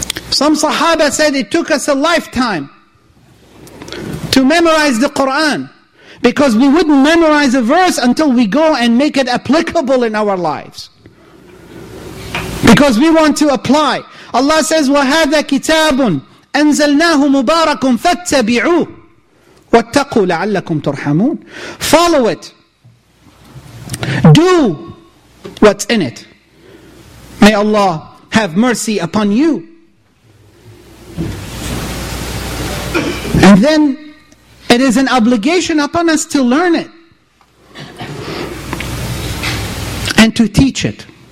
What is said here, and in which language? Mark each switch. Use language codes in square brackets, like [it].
[en] Some Sahaba said it took us a lifetime to memorize the Qur'an. Because we wouldn't memorize a verse until we go and make it applicable in our lives. Because we want to apply. Allah says, [ar] وَهَذَا كِتَابٌ أَنزَلْنَاهُ مُبَارَكٌ فَاتَّبِعُوهُ وَاتَّقُوا لَعَلَّكُمْ تُرْحَمُونَ [en] Follow it. Do what's in it. May Allah have mercy upon you. And then, it is an obligation upon us to learn it and to teach it.